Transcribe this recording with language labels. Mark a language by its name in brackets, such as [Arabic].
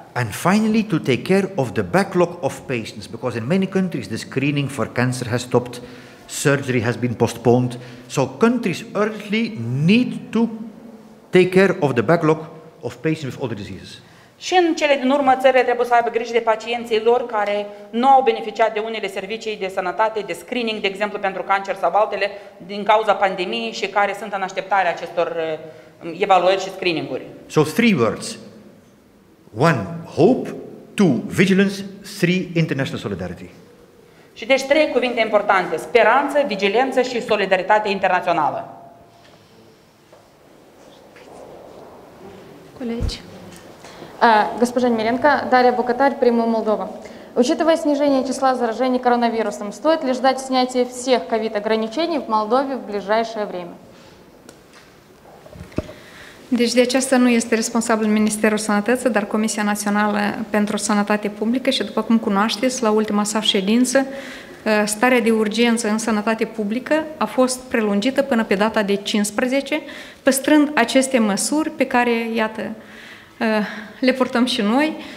[English] And finally, to take care of the backlog of patients, because in many countries the screening for cancer has stopped, surgery has been postponed, so countries urgently need to take care of the backlog of patients with other diseases. [Romanian] Și în cele din urmă, țările trebuie să aibă grijă de pacienții lor care nu au beneficiat de unele servicii de sănătate, de screening, de exemplu pentru cancer sau altele, din cauza pandemiei și care sunt în așteptare acestor evaluări și screening-uri. [English] So three words. One, hope. Two, vigilance. Three, international solidarity. [Romanian] Și deci trei cuvinte importante: speranță, vigilență și solidaritate internațională. Colegi. [Russian] Госпожа Миренко, Дарья Букатарь, Прямой Молдова. Учитывая снижение числа заражений коронавирусом, стоит ли ждать снятия всех ковид-ограничений в Молдове в ближайшее время? [Romanian] Deci de aceasta nu este responsabil Ministerul Sănătății, dar Comisia Națională pentru Sănătate Publică și după cum cunoașteți, la ultima sa ședință, starea de urgență în sănătate publică a fost prelungită până pe data de 15, păstrând aceste măsuri pe care, iată, le purtăm și noi.